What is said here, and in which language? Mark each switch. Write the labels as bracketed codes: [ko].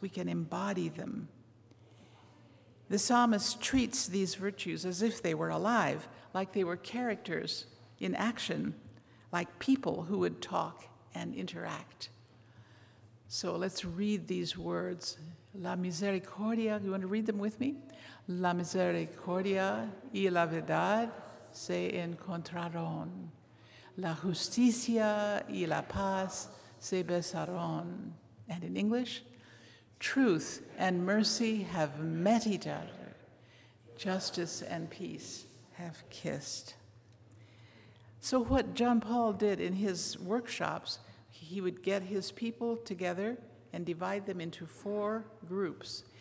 [en] We can embody them. The psalmist treats these virtues as if they were alive, like they were characters in action, like people who would talk and interact. So let's read these words. La misericordia, you want to read them with me? [es] La misericordia y la verdad se encontraron. La justicia y la paz se besaron. [en] And in English, truth and mercy have met each other. Justice and peace have kissed. So what John Paul did in his workshops, he would get his people together and divide them into four groups.